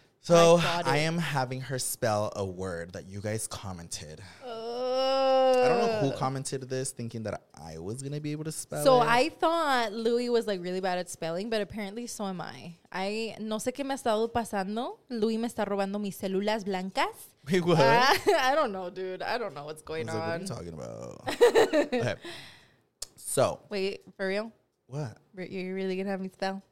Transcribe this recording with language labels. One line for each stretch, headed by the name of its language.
English: So I am having her spell a word that you guys commented. I don't know who commented this thinking that I was going to be able to spell so it. So I thought Louie was like really bad at spelling, but apparently so am I. I
Spanish: no sé qué me ha estado pasando. Louie me está robando mis células blancas.
English: Wait, what? I don't know, dude. I don't know what's going on. Like, what are you talking about? Okay. So. Wait, for real? What? You're really going to have me spell?